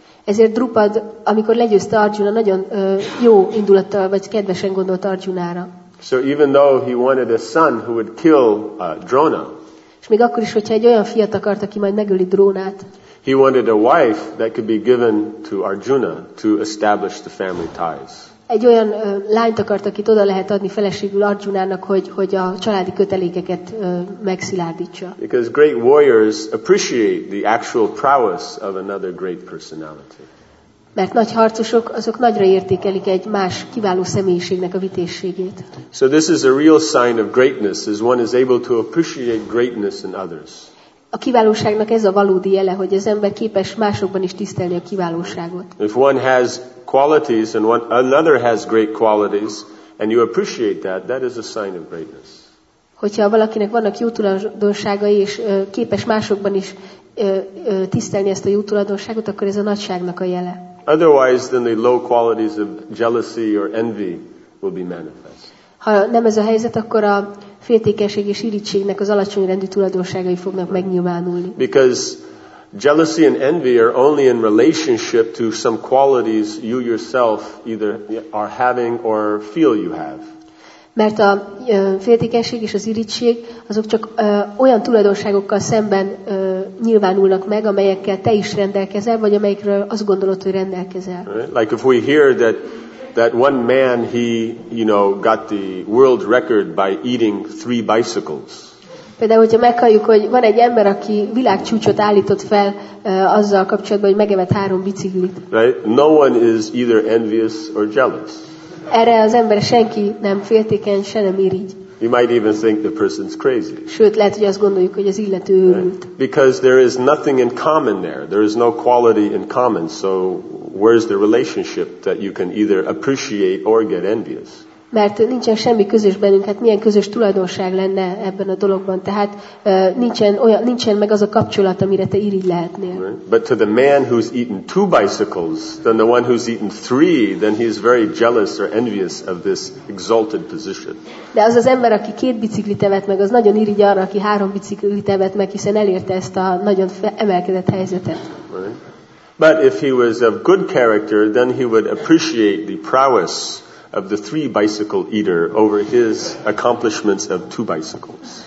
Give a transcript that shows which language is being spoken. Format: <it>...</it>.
<hu>Ezért Drupad, amikor legyőzte Arjuna, nagyon jó indulattal vagy kedvesen gondolt Arjunára.</hu> <en>So even though he wanted a son who would kill Drona.</en> <hu>És még akkor is, hogyha egy olyan fiat akart, aki majd megöli Drónát.</hu> <en>He wanted a wife that could be given to Arjuna to establish the family ties.</en> <hu>Egy olyan lányt akart, akit oda lehet adni feleségül Arjunának, hogy a családi kötelékeket megszilárdítsa.</hu> <en>Because great warriors appreciate the actual prowess of another great personality.</en> <hu>Mert nagy harcosok, azok nagyra értékelik egy más kiváló személyiségnek a vitézségét.</hu> <en>So this is a real sign of greatness, is one is able to appreciate greatness in others.</en> <hu>A kiválóságnak ez a valódi jele, hogy az ember képes másokban is tisztelni a kiválóságot.</hu> <en>If one has qualities and one another has great qualities and you appreciate that, that is a sign of greatness.</en> <hu>Hogyha valakinek vannak jó tulajdonságai és képes másokban is tisztelni ezt a jó tulajdonságot, akkor ez a nagyságnak a jele.</hu> <en>Otherwise then the low qualities of jealousy or envy will be manifest.</en> <hu>Ha nem ez a helyzet, akkor a féltékenység és irítségnek az alacsony rendű tulajdonságai fognak megnyilvánulni.</hu> <en>Because jealousy and envy are only in relationship to some qualities you yourself either are having or feel you have.</en> <hu>Mert a féltékenység és az irítség azok csak olyan tulajdonságokkal szemben nyilvánulnak meg, amelyekkel te is rendelkezel, vagy amelyekről azt gondolod, hogy rendelkezel.</hu> <en>Right? Like if we hear that one man, he, you know, got the world record by eating 3 bicycles.</en> <hu>Például, hogyha meghalljuk, hogy van egy ember, aki világcsúcsot állított fel azzal kapcsolatban, hogy megevett 3 biciklit.</hu> <en>Right? No one is either envious or jealous.</en> <hu>Erre az ember senki nem féltékeny, se nem irigy.</hu> <en>You might even think the person's crazy. Sőt, lehet, hogy azt gondoljuk, hogy az illető őrült. Right? Because there is nothing in common there. There is no quality in common. So where's the relationship that you can either appreciate or get envious?</en> <hu>Mert nincsen semmi közös bennünk, hát milyen közös tulajdonság lenne ebben a dologban. Tehát nincsen meg az a kapcsolat, amire te irigy lehetnél.</hu> <en>Right? But to the man who's eaten 2 bicycles, then the one who's eaten 3, then he is very jealous or envious of this exalted position.</en> <hu>De az az ember, aki 2 biciklit evett meg, az nagyon irigy arra, aki 3 biciklit evett meg, hiszen elérte ezt a nagyon emelkedett helyzetet.</hu> <en>Right? But if he was of good character, then he would appreciate the prowess of the 3 bicycle eater over his accomplishments of 2 bicycles.</en>